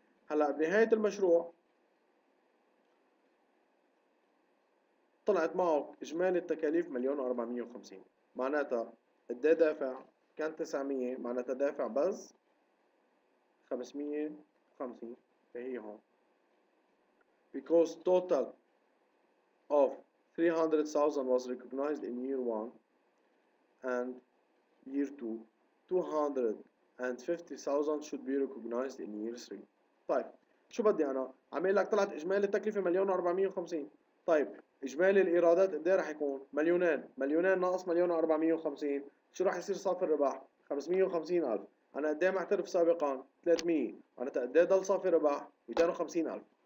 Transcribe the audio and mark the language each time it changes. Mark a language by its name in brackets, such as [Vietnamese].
[Arabic] هلا بنهايه المشروع طلعت معه اجمالي التكاليف 1,450,000، معناتها قد ايه دافع؟ كان 900، معناتها دافع بس 550. هي هون [English] because total of 300,000 was recognized in year 1 and year 2 250,000 should be recognized in year 3. [Arabic] طيب شو بدي انا؟ عم اقول لك طلعت اجمالي التكلفه 1,450,000. طيب اجمالي الايرادات قد ايه رح يكون؟ 1,000,000. 1,000,000 ناقص 1,450,000، شو رح يصير صافي الربح؟ 550,000. انا قد ايه معترف سابقا؟ 300. انا قد ايه ضل صافي ربح؟ 250,000.